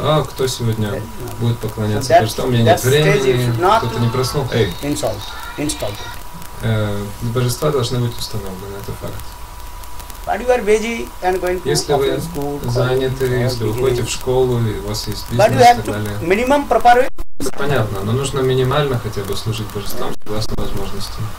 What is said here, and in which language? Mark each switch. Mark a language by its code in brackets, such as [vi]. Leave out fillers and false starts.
[ru] А кто сегодня будет поклоняться? Потому что у меня нет времени. Кто-то не проснулся. Эй. [en] Installed. [ru] Божества должны быть установлены. Это факт. [en] But you are busy and going to school. [ru] Если вы заняты, если вы ходите в школу, и у вас есть бизнес, [en] but you have to minimum prepare. [ru] Понятно, но нужно минимально хотя бы служить божествам согласно возможности.